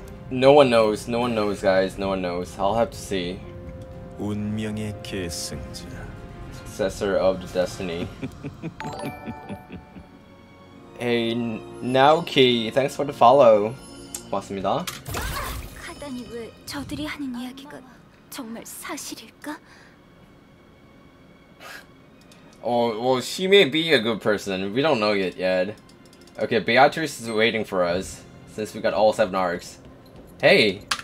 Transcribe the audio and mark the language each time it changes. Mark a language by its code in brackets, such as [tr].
[en] No one knows. No one knows, guys. No one knows. I'll have to see. [ko] 운명의 계승자. [en] Successor of the destiny. Hey, Naoki, thanks for the follow. [ko] 고맙습니다. 카다니 왜 저들이 하는 이야기가 정말 사실일까? [en] Oh, well, she may be a good person. We don't know it yet. Okay, Beatrice is waiting for us, since we got all 7 arcs. Hey!